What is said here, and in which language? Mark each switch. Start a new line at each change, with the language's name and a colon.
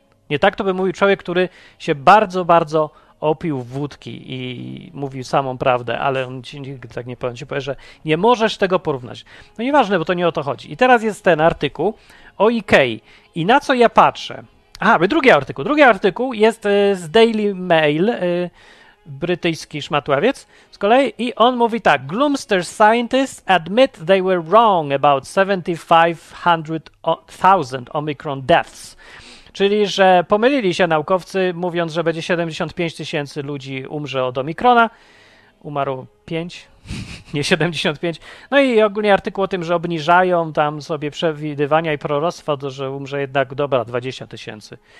Polish: Nie tak to by mówił człowiek, który się bardzo, bardzo opił wódki i mówił samą prawdę, ale on ci nigdy tak nie powie, ci powie, że nie możesz tego porównać. No nieważne, bo to nie o to chodzi. I teraz jest ten artykuł o IKEA. I na co ja patrzę? Aha, drugi artykuł. Drugi artykuł jest z Daily Mail, brytyjski szmatławiec z kolei, i on mówi tak.
English: Gloomster scientists admit they were wrong about 7500 Omicron deaths.
Polish: Czyli, że pomylili się naukowcy, mówiąc, że będzie 75 tysięcy ludzi umrze od Omikrona. Umarło 5, nie 75. No i ogólnie artykuł o tym, że obniżają tam sobie przewidywania i proroctwa, że umrze jednak, dobra, 20 tysięcy.